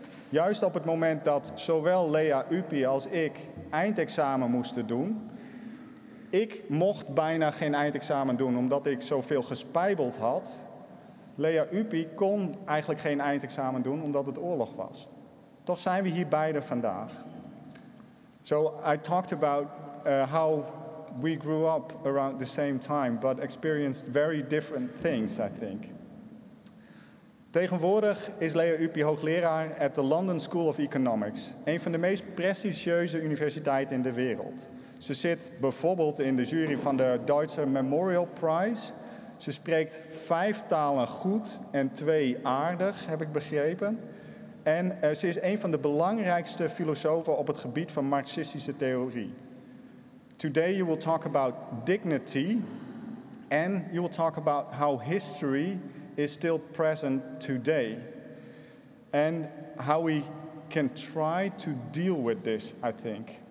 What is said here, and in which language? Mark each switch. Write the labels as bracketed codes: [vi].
[nl] Juist op het moment dat zowel Lea Uppi als ik eindexamen moesten doen. Ik mocht bijna geen eindexamen doen omdat ik zoveel gespijbeld had. Lea Uppi kon eigenlijk geen eindexamen doen omdat het oorlog was. Toch zijn we hier beide vandaag. [en] So I talked about how we grew up around the same time, but experienced very different things, I think. [nl] Tegenwoordig is Lea Uppi hoogleraar at the London School of Economics, een van de meest prestigieuze universiteiten in de wereld. Ze zit bijvoorbeeld in de jury van de Deutsche Memorial Prize. Ze spreekt 5 talen goed en 2 aardig, heb ik begrepen. En ze is een van de belangrijkste filosofen op het gebied van marxistische theorie. [en] Today you will talk about dignity and you will talk about how history is still present today. And how we can try to deal with this, I think.